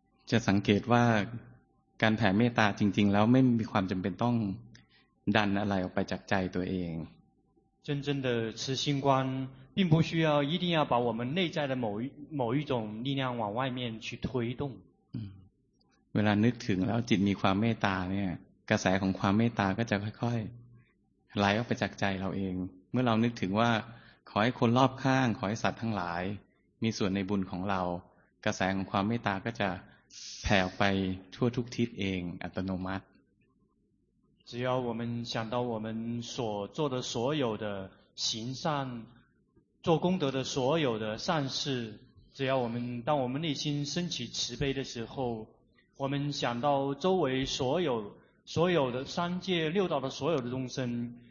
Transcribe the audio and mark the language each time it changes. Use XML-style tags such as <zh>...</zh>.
<th>จะสังเกตว่าการแผ่เมตตาจริงๆแล้วไม่มีความจำเป็นต้องดันอะไรออกไปจากใจตัวเอง</th> <zh>真正的慈心观并不需要一定要把我们内在的某一种力量往外面去推动</zh> <th>เวลานึกถึงแล้วจิตมีความเมตตาเนี่ยกระแสของความเมตตาก็จะค่อยๆไหลออกไปจากใจเราเองเมื่อเรานึกถึงว่าขอให้คนรอบข้างขอให้สัตว์ทั้งหลายมีส่วนในบุญของเรากระแสของความเมตตาก็จะแผ่ออกไปทั่วทุกทิศเองอัตโนมัติ</th> <zh>只要我们想到我们所做的所有的行善做功德的所有的善事只要我们当我们内心升起慈悲的时候我们想到周围所有的三界六道的所有的众生</zh>